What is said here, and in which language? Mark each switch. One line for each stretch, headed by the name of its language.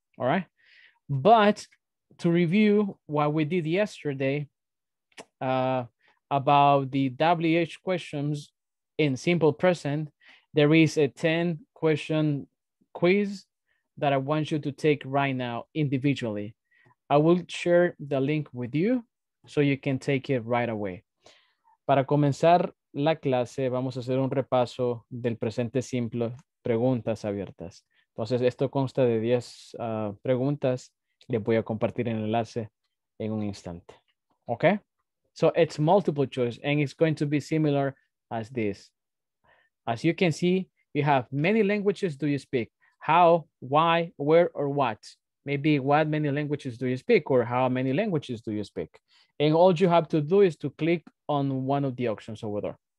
English: All right, but to review what we did yesterday about the WH questions in simple present, there is a 10 question quiz that I want you to take right now individually. I will share the link with you so you can take it right away.
Spanish: Para comenzar la clase, vamos a hacer un repaso del presente simple, preguntas abiertas. Entonces, esto consta de 10 preguntas. Les voy a compartir el enlace en un instante.
English: Okay? So it's multiple choice and it's going to be similar as this. As you can see, you have many languages do you speak? How, why, where, or what? Maybe what many languages do you speak or how many languages do you speak? And all you have to do is to click on one of the options over there.